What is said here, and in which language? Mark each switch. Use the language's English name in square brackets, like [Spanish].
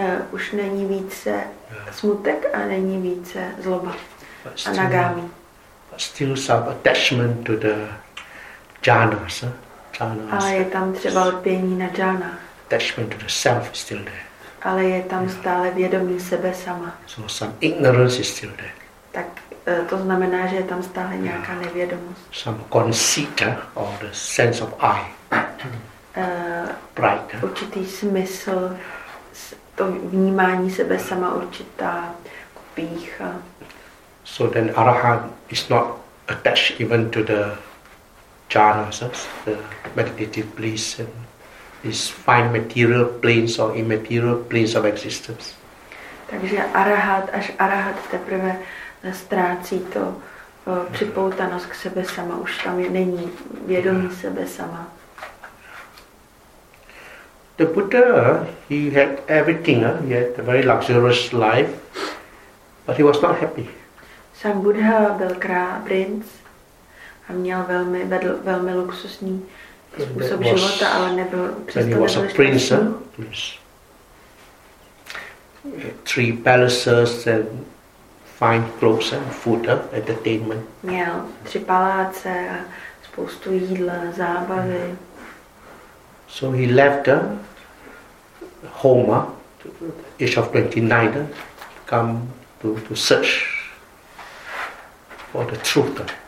[Czech] Už není více smutek a není více zloba. [Pali] Anagami. [English] But still some attachment to the jhanas, jhanas. [Czech] Ale je tam třeba lpění na jhana. [English] Attachment to the self is still there. [Czech] Ale je tam stále vědomí sebe sama. [English] So some ignorance is still there. [Czech] Tak to znamená, že je tam stále nějaká nevědomost. [English] Some conceit or the sense of I. Pride. [Czech] Určitý smysl, to vnímání sebe sama, určitá pýcha. [English] So then arahant is not attached even to the jhanas, the meditative bliss, and these fine material planes or immaterial planes of existence. [Czech] Takže arahat až arahat teprve ztrácí to připoutanost k sebe sama, už tam je, není vědomí sebe sama. [English] The Buddha, he had everything, he had a very luxurious life, but he was not happy. [Czech] Sám Buddha byl král, princ, a měl velmi, vedl velmi luxusní způsob was, života, ale nebyl přesto šťastný. [English] Prince, three palaces and fine clothes and food, entertainment. [Czech] Měl tři paláce a spoustu jídla, zábavy. [English] So he left them. Home, age of 29, come to search for the truth.